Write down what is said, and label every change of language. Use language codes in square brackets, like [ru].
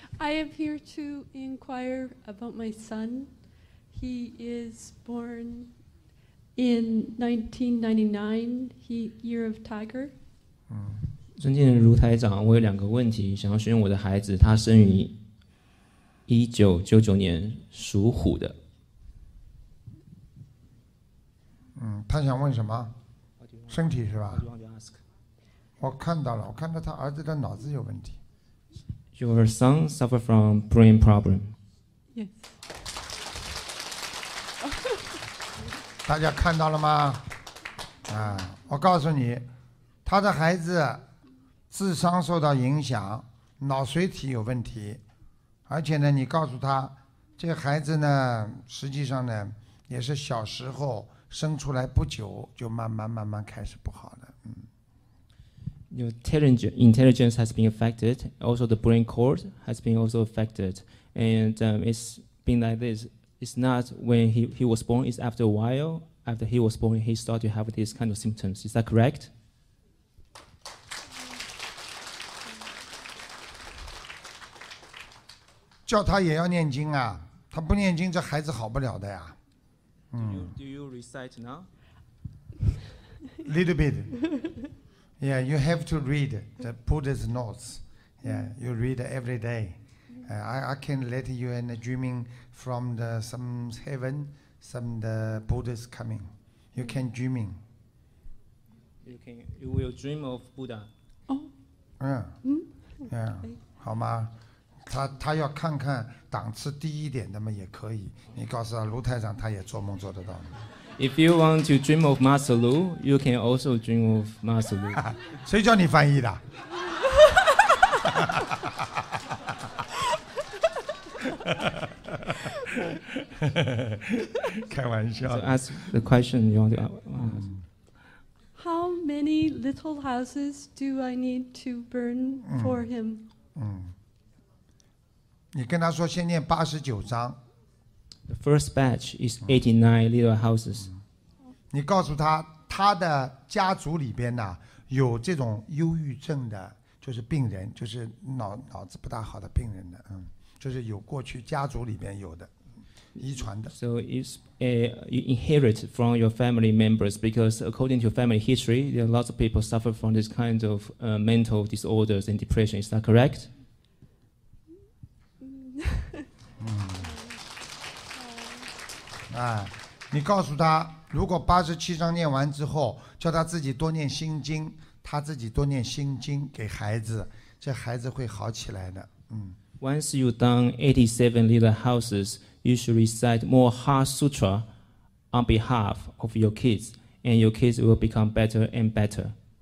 [en] I am here to inquire about my son. He is born in 1999, year of tiger. [zh] 尊敬的如台长，我有两个问题想要询问我的孩子。他生于1999年，属虎的。他想问什么？身体是吧？我看到了，我看到他儿子的脑子有问题。 [en] Your son suffer from brain problem. Yes. [zh] 大家看到了吗？我告诉你，他的孩子智商受到影响，脑髓体有问题，而且呢，你告诉他，这个孩子呢，实际上呢，也是小时候生出来不久就慢慢开始不好了。 [en] Your intelligence has been affected. Also, the brain cord has been also affected. And it's been like this. It's not when he was born. It's after a while. After he was born, he started to have these kind of symptoms. Is that correct? [zh] 叫他也要念经啊！他不念经，这孩子好不了的呀。 [en] Do you recite now? Little bit. Yeah, you have to read the Buddha's notes. Yeah, you read every day. I can let you in a dreaming from the some heaven, some the Buddha's coming. You can dreaming. You can. You will dream of Buddha. Oh. Yeah. Yeah. [zh] 好吗？他要看看档次低一点的嘛也可以。你告诉他卢太长，他也做梦做得到。 [en] If you want to dream of Master Lu, you can also dream of Master Lu. [zh] 谁叫你翻译的？开玩笑。 [en] So ask the question you want to ask. How many little houses do I need to burn for him? [zh] 你跟他说先念八十九章。 [en] The first batch is 89 little houses. [zh] 你告诉他，他的家族里边呢有这种忧郁症的，就是病人，就是脑子不大好的病人的，就是有过去家族里边有的，遗传的。 [en] So it's a you inherit from your family members because according to family history, there are lots of people suffer from this kind of mental disorders and depression. Is that correct? [zh] 你告诉他，如果八十七章念完之后，叫他自己多念心经，他自己多念心经给孩子，这孩子会好起来的。 [en] Once you've done 87 little houses, you should recite more heart sutra on behalf of your kids, and your kids will become better and better.